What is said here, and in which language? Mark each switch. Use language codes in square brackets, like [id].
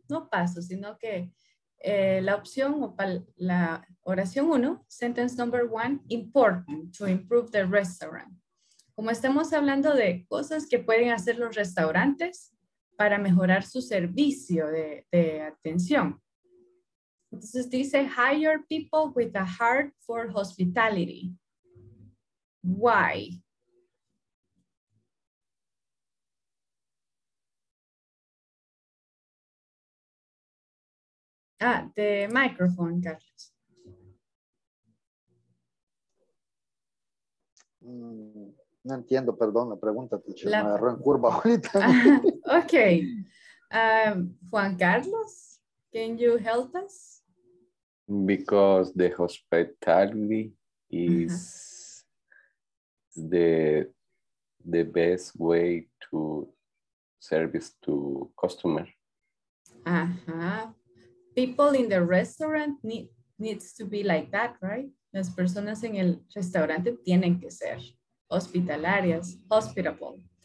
[es] No paso, sino que la opción o la oración uno, [en] sentence number one, important to improve the restaurant. [es] Como estamos hablando de cosas que pueden hacer los restaurantes para mejorar su servicio de atención. Entonces dice, [en] hire people with a heart for hospitality. Why? the microphone, Carlos. [es] No entiendo, perdón, la pregunta, teacher. Me agarró en curva ahorita. [en] Okay. Juan Carlos, can you help us? Because the hospitality is the best way to service to customer. People in the restaurant needs to be like that, right? [es] Las personas en el restaurante tienen que ser hospitalarias, hospitable.